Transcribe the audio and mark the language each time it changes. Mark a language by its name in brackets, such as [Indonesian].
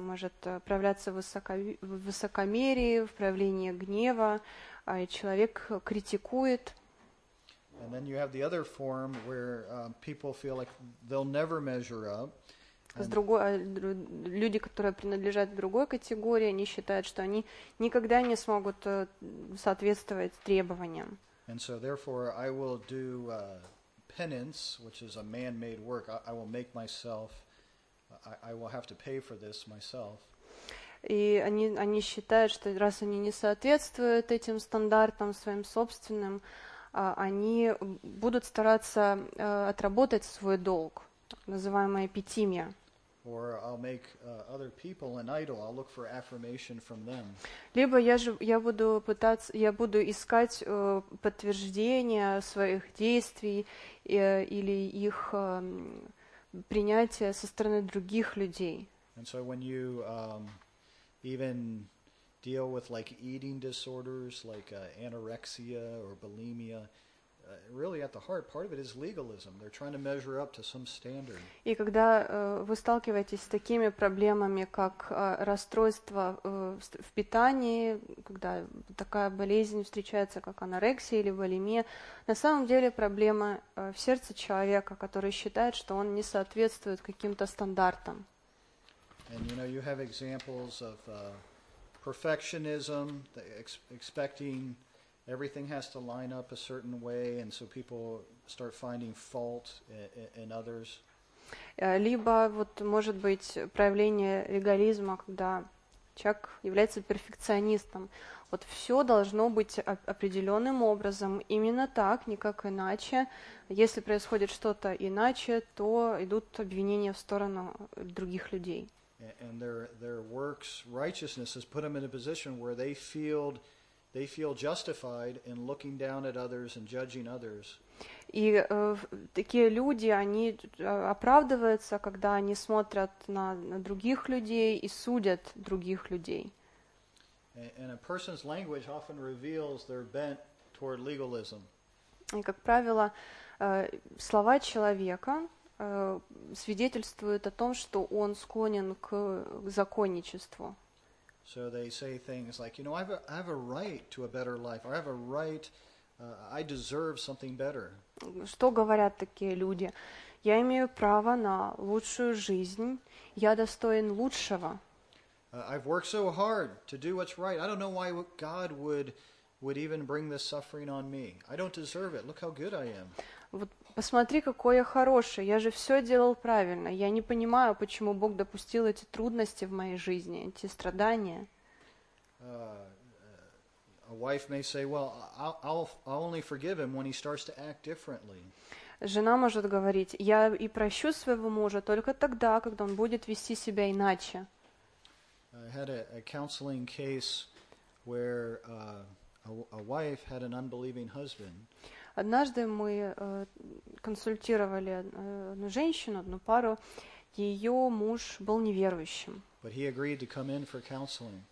[Russian] Может проявляться в высокомерии, в проявлении гнева, и человек критикует. [English] And then you have the other form where people feel like they'll never measure up. [Russian] Люди, которые принадлежат другой категории, они считают, что они никогда не смогут соответствовать требованиям. [English] And so therefore I will do penance, which is a man-made work. I will make myself, I will have to pay for this myself. [Russian] И они считают, что раз они не соответствуют этим стандартам своим собственным, они будут стараться отработать свой долг, называемая эпитимия. [English] Or I'll make other people an idol. I'll look for affirmation from them. [Russian] Либо я буду пытаться, я буду искать подтверждение своих действий или их принятие со стороны других людей. [English] And so when you even deal with like eating disorders, like anorexia or bulimia, really at the heart, part of it is legalism. They're trying to measure up to some standard. [Russian] И когда вы сталкиваетесь с такими проблемами, как расстройство в питании, когда такая болезнь встречается, как анорексия или булимия, на самом деле проблема в сердце человека, который считает, что он не соответствует каким-то стандартам. [English] And you know, you have examples of perfectionism, expecting everything has to line up a certain way, and so people start finding fault in others. [Russian] Либо вот может быть проявление легализма, когда человек является перфекционистом. Вот все должно быть определенным образом, именно так, никак иначе. Если происходит что-то иначе, то идут обвинения в сторону других людей. [English] And their works righteousness has put them in a position where they feel justified in looking down at others and judging others. [Russian] И такие люди, они оправдываются, когда они смотрят на других людей и судят других людей. [English] And a person's language often reveals their bent toward legalism. [Russian] И как правило, слова человека свидетельствует о том, что он склонен к законничеству. [English] So they say things like, you know, I have a right to a better life, or I have a right, I deserve something better. [Russian] Что говорят такие люди? Я имею право на лучшую жизнь, я достоин лучшего. [English] I've worked so hard to do what's right. I don't know why God would even bring this suffering on me. I don't deserve it. Look how good I am. [Russian] Вот посмотри, какой я хороший. Я же все делал правильно. Я не понимаю, почему Бог допустил эти трудности в моей жизни, эти страдания. [English] A wife may say, well, I'll only forgive him when he starts to act differently. [Russian] Жена может говорить, я и прощу своего мужа только тогда, когда он будет вести себя иначе. [English] I had a counseling case where a wife had an unbelieving husband. [Russian] Однажды мы консультировали одну женщину, одну пару. Ее муж был неверующим. [English] But he agreed to come in for counseling.